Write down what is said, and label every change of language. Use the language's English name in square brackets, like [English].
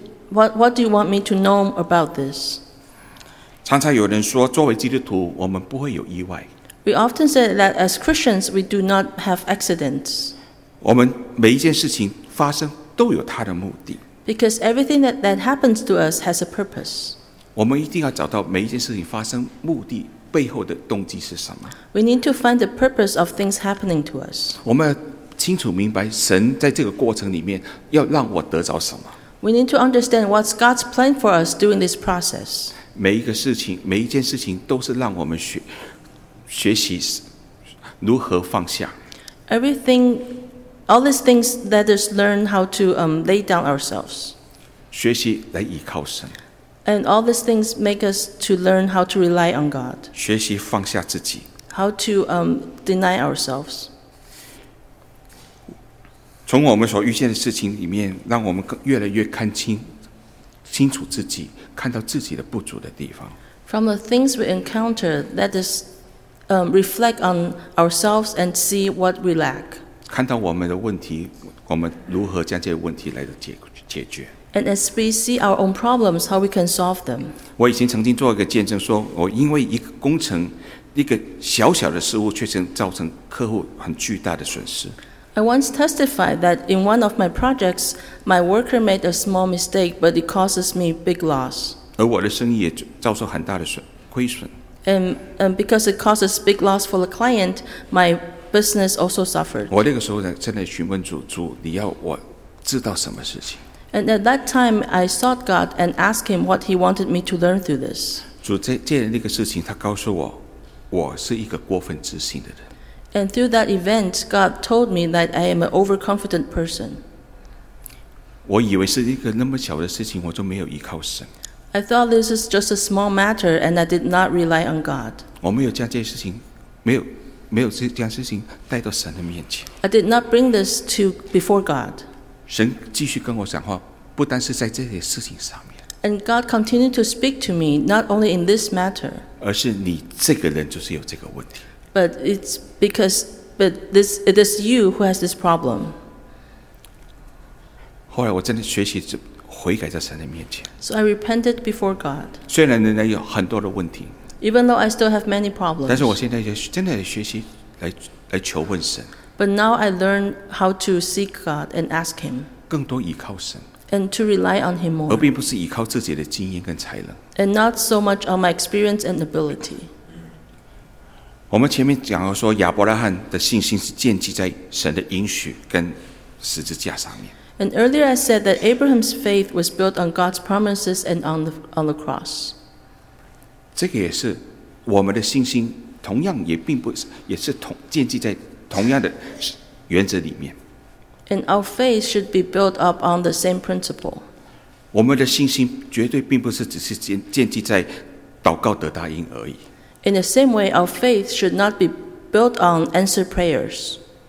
[English] What do you want me to know about this? [Chinese] 常常有人说，作为基督徒，我们不会有意外。 [English] We often say that as Christians, we do not have accidents. [Chinese] 我们每一件事情发生都有它的目的。 [English] Because everything that happens to us has a purpose. [Chinese] 我们一定要找到每一件事情发生目的。背后的动机是什么 [English] We need to find the purpose of things happening to us. [Chinese] 我们要清楚明白神在这个过程里面要让我得着什么 [English] We need to understand what's God's plan for us during this process. [Chinese] 每一个事情，每一件事情都是让我们学习如何放下 [English] Everything, all these things let us learn how to lay down ourselves. [Chinese] 学习来依靠神 [English] And all these things make us to learn how to rely on God. [Chinese] 学习放下自己 [English] How to deny ourselves. [Chinese] 从我们所遇见的事情里面，让我们越来越看清楚自己，看到自己的不足的地方。 [English] From the things we encounter, let us reflect on ourselves and see what we lack. [Chinese] 看到我们的问题，我们如何将这些问题来解决。 [English] And as we see our own problems, how we can solve them. [Chinese] 我以前曾经做一个见证说，我因为一个工程，一个小小的失误，却曾造成客户很巨大的损失。 [English] I once testified that in one of my projects, my worker made a small mistake, but it causes me big loss. [Chinese] 而我的生意也遭受很大的亏损。 [English] And because it causes big loss for the client, my business also suffered. [Chinese] 我那个时候呢，正在询问主，你要我知道什么事情？ [English] And at that time, I sought God and asked him what he wanted me to learn through this. [Chinese] 主借那个事情，他告诉我，我是一个过分自信的人。 [English] And through that event, God told me that I am an overconfident person. [Chinese] 我以为是一个那么小的事情，我就没有依靠神。 [English] I thought this is just a small matter, and I did not rely on God. [Chinese] 我没有将这事情，没有将事情带到神的面前。 [English] I did not bring this to before God. [Chinese] 神继续跟我讲话，不单是在这些事情上面。 [English] And God continued to speak to me, not only in this matter. [Chinese] 而是你这个人就是有这个问题。 [English] But it's because, but this it is you who has this problem. [Chinese] 后来我真的学习悔改在神的面前。 [English] So I repented before God. [Chinese] 虽然仍然有很多的问题。 [English] Even though I still have many problems. [Chinese] 但是我现在真的学习来求问神。 [English] But now I learn how to seek God and ask Him. [Chinese] 更多依靠神 [English] And to rely on Him more. [Chinese] 而并不是依靠自己的经验跟才能 [English] And not so much on my experience and ability. [Chinese] 我们前面讲到说，亚伯拉罕的信心是建基在神的应许跟十字架上面 [English] And earlier I said that Abraham's faith was built on God's promises and on the cross. [Chinese] 这个也是我们的信心，同样也并不是，也是同建基在。同样的原则里面 [English] And our faith should be built up on the same principle. [Chinese] 我们的信心绝对并不是只是建基在祷告得答应而已 [English] In the same way, our faith should not be built on answered prayers.